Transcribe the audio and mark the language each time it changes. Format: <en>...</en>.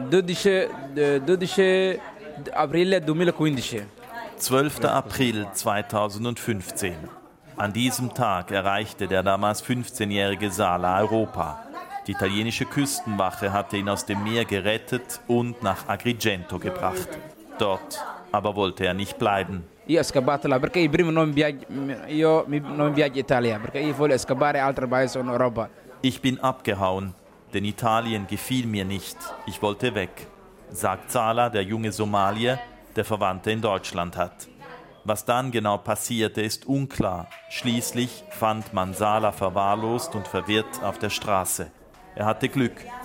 <de>12. April 2015. An diesem Tag erreichte der damals 15-jährige Sala Europa. Die italienische Küstenwache hatte ihn aus dem Meer gerettet und nach Agrigento gebracht. Dort aber wollte er nicht bleiben.</de> <it>Io scappato là perché prima non viaggio io non viaggio Italia perché io voglio scappare altre paese in Europa.</it> <de>Ich bin abgehauen, denn Italien gefiel mir nicht. Ich wollte weg, sagt Sala, der junge Somalier, der Verwandte in Deutschland hat. Was dann genau passierte, ist unklar. Schließlich fand man Sala verwahrlost und verwirrt auf der Straße. Er hatte Glück.</de>